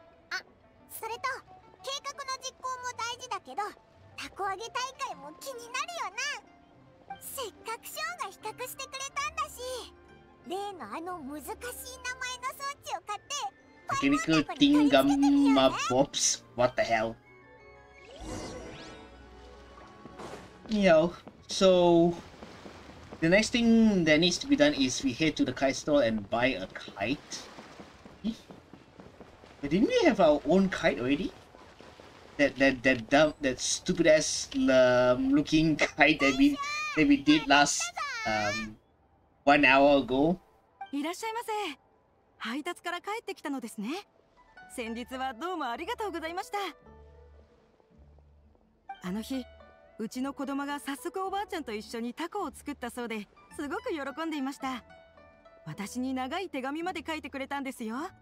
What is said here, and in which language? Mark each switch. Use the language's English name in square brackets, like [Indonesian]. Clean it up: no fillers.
[Japanese] あ、それと計画の実行も大事だけど、たこ揚げ大会も気になるよな。せっかくショーが比較してくれたんだし、例のあの難しい名前の装置を買って、パイナーテコに取り付けてみようね。 [English] まあ、ボプス、What the hell? Yo, so the next thing that needs to be done is we head to the kite store and buy a kite. But didn't we have our own kite already? That stupid ass looking kite that we did last 1 hour ago. [Japanese] いらっしゃいませ。配達から帰ってきたのですね。先日はどうもありがとうございました。あの日。うちの子供が早速おばあちゃんと一緒にタコを作ったそうですごく喜んでいました。私に長い手紙まで書いてくれたんですよ。